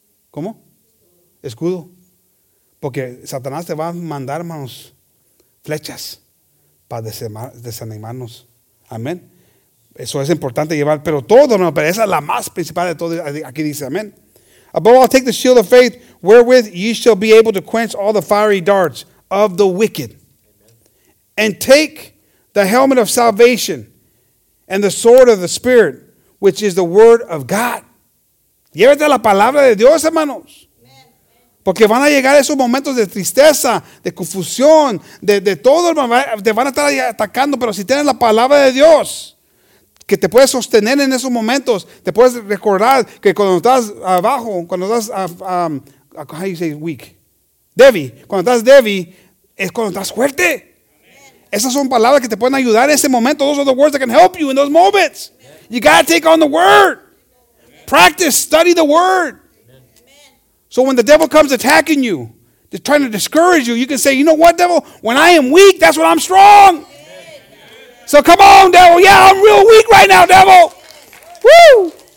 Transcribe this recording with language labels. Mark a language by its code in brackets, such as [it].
[es] ¿Cómo? Escudo. Porque Satanás te va a mandar, hermanos, flechas para desanimarnos. Amén. Eso es importante llevar, pero todo, hermano, pero esa es la más principal de todo. Aquí dice, amén. [en] Above all, take the shield of faith, wherewith ye shall be able to quench all the fiery darts of the wicked. And take the helmet of salvation and the sword of the Spirit, which is the word of God. [es] Llévate la palabra de Dios, hermanos. Porque van a llegar esos momentos de tristeza, de confusión, de todo, hermano. Te van a estar atacando, pero si tienes la palabra de Dios, que te puedes sostener en esos momentos, te puedes recordar que cuando estás abajo, cuando estás, [en] how do you say weak? [es] Débil. Cuando estás débil, es cuando estás fuerte. Amen. Esas son palabras que te pueden ayudar en ese momento. [en] Those are the words that can help you in those moments. Amen. You got to take on the word. Amen. Practice, study the word. So when the devil comes attacking you, they're trying to discourage you, you can say, you know what, devil? When I am weak, that's when I'm strong. Amen. So come on, devil. Yeah, I'm real weak right now, devil. Woo!